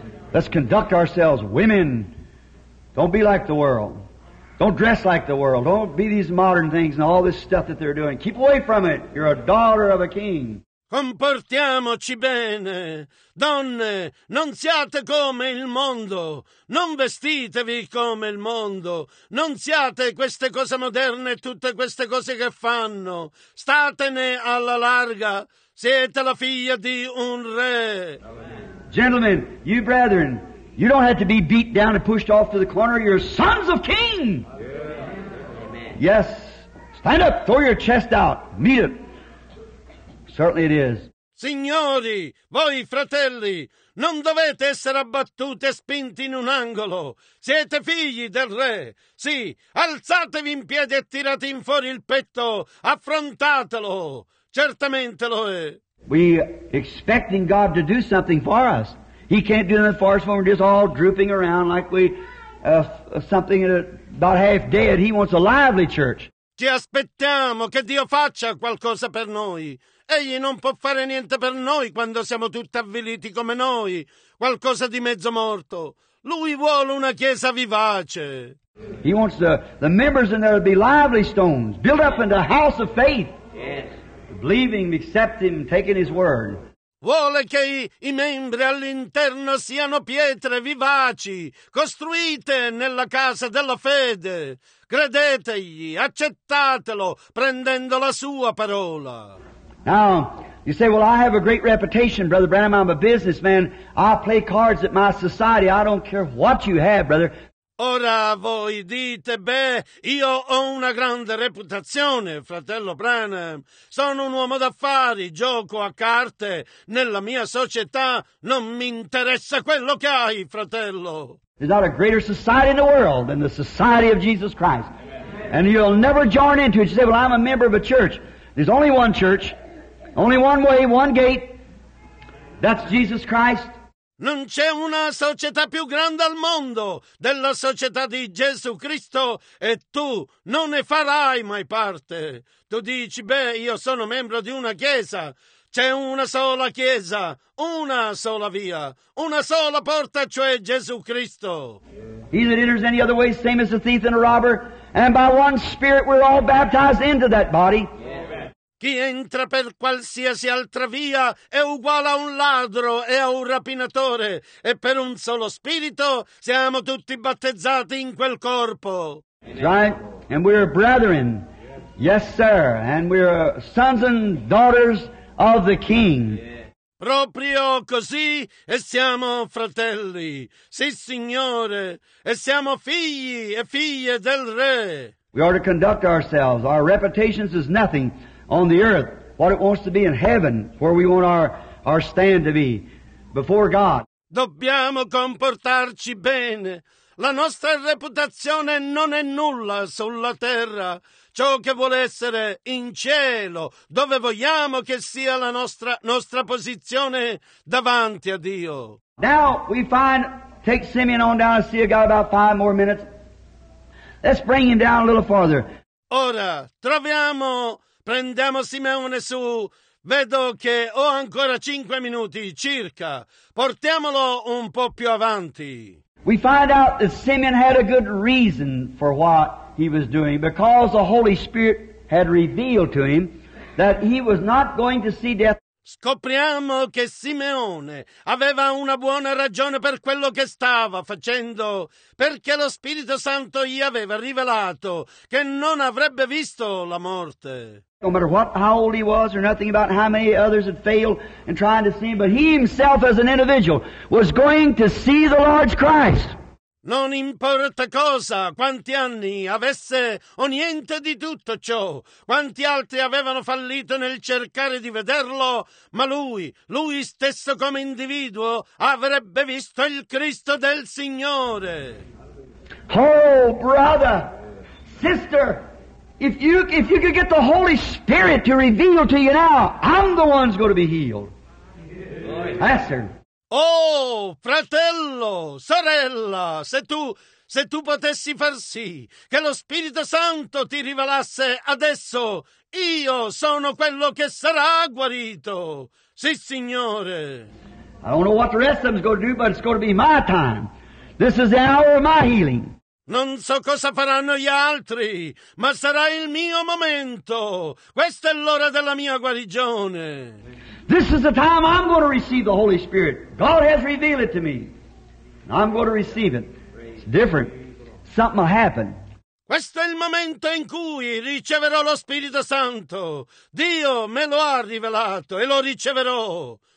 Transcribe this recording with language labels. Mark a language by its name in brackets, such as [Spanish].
[English] "Let's conduct ourselves, women. Don't be like the world. Don't dress like the world. Don't be these modern things and all this stuff that they're doing. Keep away from it. You're a daughter of a king." [Italian] Comportiamoci bene. Donne, non siate come il mondo. Non vestitevi come il mondo. Non siate queste cose moderne e tutte queste cose che fanno. Statene alla larga. Siete la figlia di un re. [English] Gentlemen, you brethren, you don't have to be beat down and pushed off to the corner. You're sons of King. Amen. Yes. Stand up. Throw your chest out. Meet it. Certainly it is. [Italian] Signori, voi fratelli, non dovete essere abbattuti e spinti in un angolo. Siete figli del re. Sì, alzatevi in piedi e tirate in fuori il petto. Affrontatelo. Certamente lo è. [English] We expecting God to do something for us. He can't do nothing for us when we're just all drooping around like we something about half dead. He wants a lively church. [Italian] Ci aspettiamo che Dio faccia qualcosa per noi. Egli non può fare niente per noi quando siamo tutti avviliti come noi, qualcosa di mezzo morto. Lui vuole una chiesa vivace. [English] He wants the members in there to be lively stones, built up into a house of faith. Yes. Believing, accepting him, taking his word. [Italian] Vuole che i membri all'interno siano pietre vivaci, costruite nella casa della fede. Credetegli, accettatelo, prendendo la sua parola. [English] Now, you say, well, I have a great reputation, Brother Branham. I'm a businessman. I play cards at my society. I don't care what you have, brother. [Italian] Ora voi dite, beh, io ho una grande reputazione, fratello Branham. Sono un uomo d'affari, gioco a carte. Nella mia società non mi interessa quello che hai, fratello. [English] There's not a greater society in the world than the society of Jesus Christ. And you'll never join into it. You say, well, I'm a member of a church. There's only one church. Only one way, one gate. That's Jesus Christ. [Italian] Non c'è una società più grande al mondo della società di Gesù Cristo e tu non ne farai mai parte. Tu dici, beh, io sono membro di una chiesa. C'è una sola chiesa, una sola via, una sola porta, cioè Gesù Cristo. [English] He that enters any other way, same as a thief and a robber. And by one spirit we're all baptized into that body. [Italian] Chi entra per qualsiasi altra via è uguale a un ladro e a un rapinatore, e per un solo spirito siamo tutti battezzati in quel corpo. [English] Right, and we're brethren, yes sir, and we're sons and daughters of the King. [Italian] Proprio così, e siamo fratelli, sì signore, e siamo figli e figlie del re. [English] We are to conduct ourselves, our reputations is nothing. On the earth, what it wants to be in heaven, where we want our stand to be, before God. [Italian] Dobbiamo comportarci bene. La nostra reputazione non è nulla sulla terra. Ciò che vuole essere in cielo, dove vogliamo che sia la nostra posizione davanti a Dio. [English] Now we find, take Simeon on down and see a guy about 5 more minutes. Let's bring him down a little farther. [Italian] Ora, troviamo... Prendiamo Simeone su. Vedo che ho ancora 5 minuti circa. Portiamolo un po' più avanti. [English] We find out that Simeon had a good reason for what he was doing, because the Holy Spirit had revealed to him that he was not going to see death. [Italian] Scopriamo che Simeone aveva una buona ragione per quello che stava facendo, perché lo Spirito Santo gli aveva rivelato che non avrebbe visto la morte. [English] No matter what, how old he was, or nothing about how many others had failed in trying to see him, but he himself as an individual was going to see the Lord Christ. [Italian] Non importa cosa, quanti anni avesse o niente di tutto ciò, quanti altri avevano fallito nel cercare di vederlo, ma lui stesso come individuo, avrebbe visto il Cristo del Signore. [English] Oh, brother, sister, if you could get the Holy Spirit to reveal to you now, I'm the one's going to be healed. Pastor. [Italian] Oh, fratello, sorella, se tu potessi far sì che lo Spirito Santo ti rivelasse adesso, io sono quello che sarà guarito. Sì, Signore. [English] I don't know what the rest of them is going to do, but it's going to be my time. This is the hour of my healing. [Italian] Non so cosa faranno gli altri, ma sarà il mio momento. Questa è l'ora della mia guarigione. [English] This is the time I'm going to receive the Holy Spirit. God has revealed it to me. I'm going to receive it. It's different. Something will happen. [Italian] Questo è il momento in cui riceverò lo Spirito Santo. Dio me lo ha rivelato e lo riceverò.